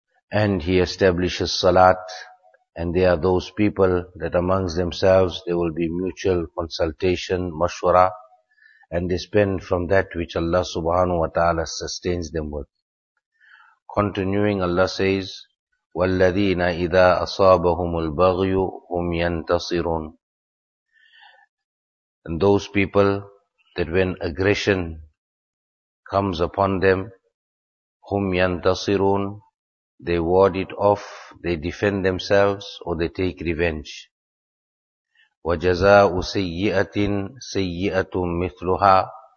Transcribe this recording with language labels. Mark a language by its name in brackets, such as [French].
[English] And he establishes salat. And they are those people that amongst themselves, there will be mutual consultation, mashwara. And they spend from that which Allah subhanahu wa ta'ala sustains them with. Continuing, Allah says, [Arabic] وَالَّذِينَ إِذَا أَصَابَهُمُ الْبَغْيُ هُمْ يَنْتَصِرُونَ. [English] And those people that when aggression comes upon them, [Arabic] هُمْ يَنْتَصِرُونَ, [English] they ward it off, they defend themselves, or they take revenge. [Arabic] وَجَزَاءُ سَيِّئَةٍ سَيِّئَةٌ مِثْلُهَا.